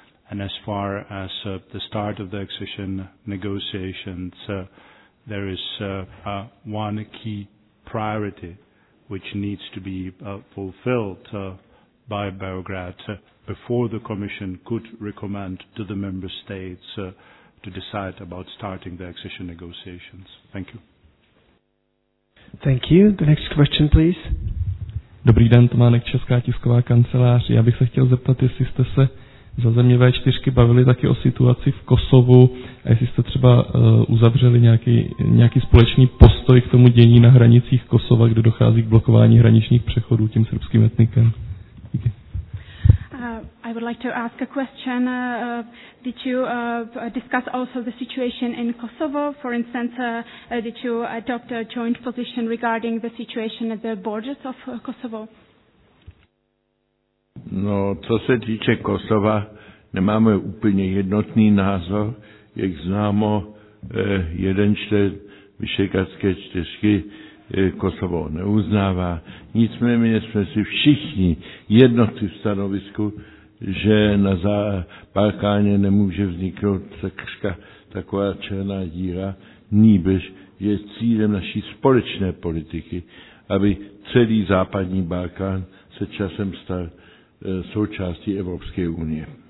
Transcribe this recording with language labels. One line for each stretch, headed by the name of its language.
English: And as far as the start of the accession negotiations, there is one key priority which needs to be fulfilled by Beograd before the Commission could recommend to the member states to decide about starting the accession negotiations. Thank you. Thank you. The next question, please.
Czech: Dobrý den, Tománek, Česká tisková kancelář. Já bych se chtěl zeptat, jestli jste se za země V4 bavili taky o situaci v Kosovu a jestli jste třeba uzavřeli nějaký společný postoj k tomu dění na hranicích Kosova, kde dochází k blokování hraničních přechodů tím srbským etnikem. Díky.
English: I would like to ask a question. Did you discuss also the situation in Kosovo? For instance, did you adopt a joint position regarding the situation at the borders of Kosovo?
Czech: No, co se týče Kosova, nemáme úplně jednotný názor. Jak známo, jeden člen Vyšegradské čtyřky Kosovo neuznává. Nicméně jsme si všichni jednotní v stanovisku, že na Balkáně nemůže vzniknout takřka taková černá díra, nýbrž, že je cílem naší společné politiky, aby celý západní Balkán se časem stal součástí Evropské unie.